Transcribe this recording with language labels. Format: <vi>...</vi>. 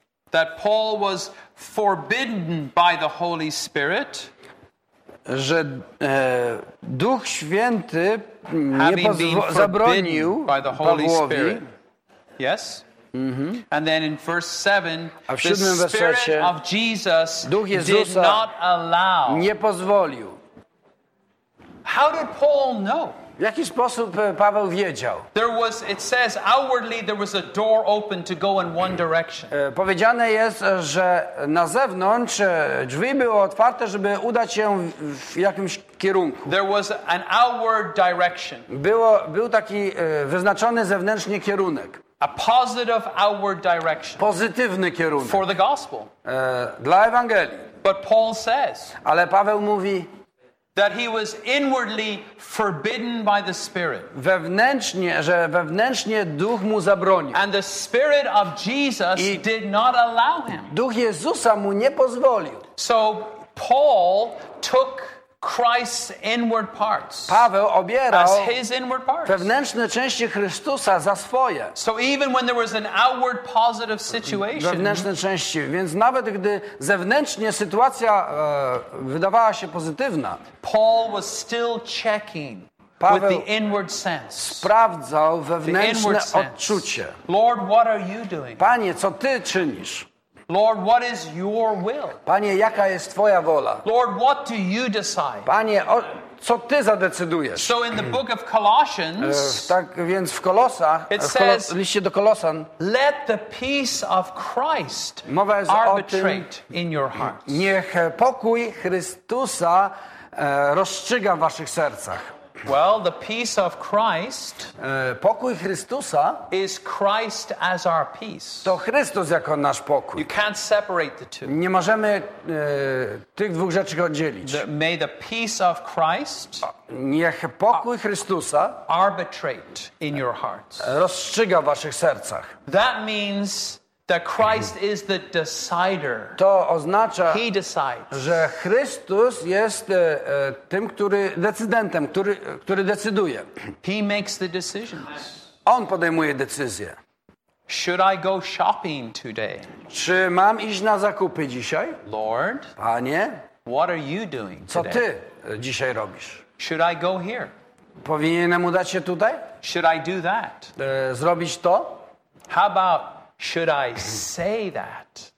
<en>That Paul was forbidden by the Holy Spirit.</en> <pl>Że Duch Święty nie zabronił Pawłowi.</pl> <en>Yes. And then in verse 7, the Spirit of Jesus did not allow.</en> <pl>Nie pozwolił.</pl> <en>How did Paul know?</en> <pl>W jaki sposób Paweł wiedział?</pl> <en>There was, it says, outwardly there was a door open to go in one direction.</en> <pl>Powiedziane jest, że na zewnątrz drzwi były otwarte, żeby udać się w jakimś kierunku.</pl> <en>There was an outward direction.</en> <pl>Był taki wyznaczony zewnętrznie kierunek.</pl> <en>A positive outward direction.</en> <pl>Pozytywny kierunek.</pl> <en>For the gospel.</en> <pl>Dla Ewangelii.</pl> <en>But Paul says.</en> <pl>Ale Paweł mówi.</pl> <en>That he was inwardly forbidden by the Spirit.</en> <pl>Wewnętrznie, że wewnętrznie Duch mu zabronił.</pl> <en>And the Spirit of Jesus</en> <pl>i</pl> <en>did not allow him.</en> <pl>Duch Jezusa mu nie pozwolił.</pl> <en>So Paul took Christ's inward parts.</en> <pl>Paweł obierał</pl> <en>as his inward parts.</en> <pl>Wewnętrzne części Chrystusa za swoje.</pl> <en>So even when there was an outward positive situation.</en> <pl>Wewnętrzne części, więc nawet gdy zewnętrznie sytuacja wydawała się pozytywna,</pl> <en>Paul was still checking</en> <pl>Paweł</pl> <en>with the inward sense.</en> <pl>Sprawdzał wewnętrzne odczucie.</pl> <en>Lord, what are you doing?</en> <pl>Panie, co ty czynisz?</pl> <en>Lord, what is your will?</en> <pl>Panie, jaka jest twoja wola?</pl> <en>Lord, what do you decide?</en> <pl>Panie, co ty zadecydujesz?</pl> <en>So in the book of Colossians,</en> <pl>tak więc w Kolosach,</pl> <en>it says,</en> <pl>w liście do Kolosan,</pl> <en>let the peace of Christ arbitrate in your hearts.</en> <pl>Niech pokój Chrystusa rozstrzyga w waszych sercach.</pl> <en>Well, the peace of Christ,</en> <pl>pokój Chrystusa,</pl> <en>is Christ as our peace.</en> <pl>To Chrystus jako nasz pokój.</pl> <en>You can't separate the two.</en> <pl>Nie możemy tych dwóch rzeczy oddzielić.</pl> <en>May the peace of Christ,</en> <pl>niech pokój Chrystusa,</pl> <en>arbitrate in your hearts.</en> <pl>Rozstrzyga w waszych sercach.</pl> <en>That means that Christ is the decider.</en> <pl>To oznacza,</pl> <en>he decides.</en> <pl>Że Chrystus jest tym, który decydentem, który decyduje.</pl> <en>He makes the decisions.</en> <pl>On podejmuje decyzje.</pl> <en>Should I go shopping today?</en> <pl>Czy mam iść na zakupy dzisiaj?</pl> <en>Lord,</en> <pl>Panie,</pl> <en>what are you doing</en> <pl>co</pl> <en>today?</en> <pl>Ty dzisiaj robisz?</pl> <en>Should I go here?</en> <pl>Powinienem udać się tutaj?</pl> <en>Should I do that?</en> <pl>Zrobić to?</pl> <en>How about should I say that?</en>